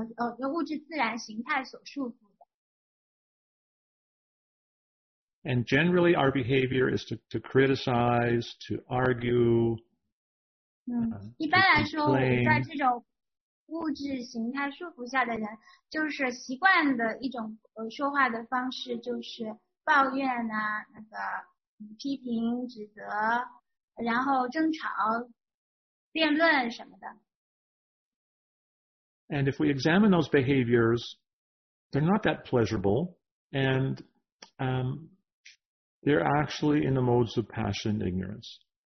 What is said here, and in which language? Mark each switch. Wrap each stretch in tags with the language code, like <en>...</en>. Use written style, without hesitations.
<zh>这个是可以改变的，因为我们能够明白，我们首先我们就是都是受条件限制的灵魂，我们是被这个物质的能量所物质自然形态所束缚的。</zh> <en>And generally, our behavior is to criticize, to argue.</en> <zh>一般来说，在这种 物质形态束缚下的人，就是习惯的一种说话的方式，就是抱怨啊，那个批评、指责，然后争吵、辩论什么的。</zh> <en>And if we examine those behaviors, they're not that pleasurable, and they're actually in the modes of passion and ignorance.</en>